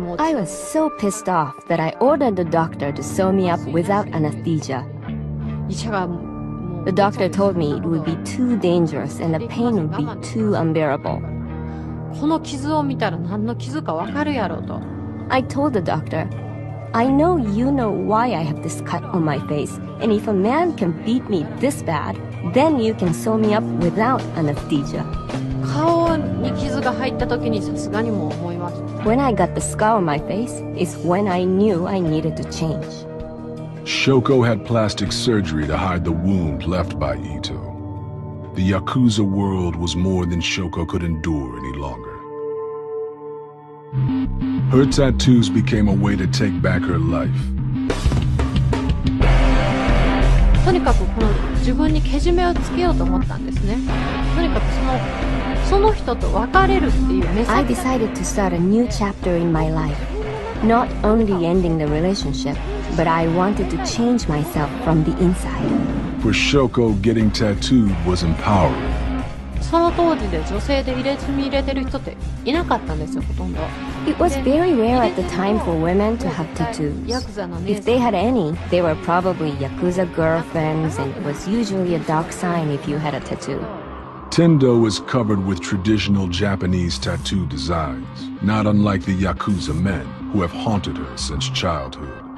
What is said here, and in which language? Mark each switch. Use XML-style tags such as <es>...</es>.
<en>I was so pissed off that I ordered the doctor to sew me up without anesthesia. The doctor told me it would be too dangerous and the pain would be too unbearable.</en> <ja>この傷を見たら何の傷かわかるやろうと。</ja> <en>I told the doctor, I know you know why I have this cut on my face, and if a man can beat me this bad, then you can sew me up without anesthesia.</en> <ja>顔に傷が入った時にさすがにも思います。</ja> <en>When I got the scar on my face, is when I knew I needed to change. Shoko had plastic surgery to hide the wound left by Ito. The Yakuza world was more than Shoko could endure any longer. Her tattoos became a way to take back her life.</en> <ja>とにかくこの自分にけじめをつけようと思ったんですね。とにかくその人と別れるっていう目先。</ja> <en>I decided to start a new chapter in my life. Not only ending the relationship, but I wanted to change myself from the inside. For Shoko, getting tattooed was empowering.</en> <ja>その当時で女性で入れ墨入れてる人っていなかったんですよ、ほとんど。</ja> <en>It was very rare at the time for women to have tattoos. If they had any, they were probably Yakuza girlfriends and was usually a dark sign if you had a tattoo. Tendo is covered with traditional Japanese tattoo designs, not unlike the Yakuza men who have haunted her since childhood.</en>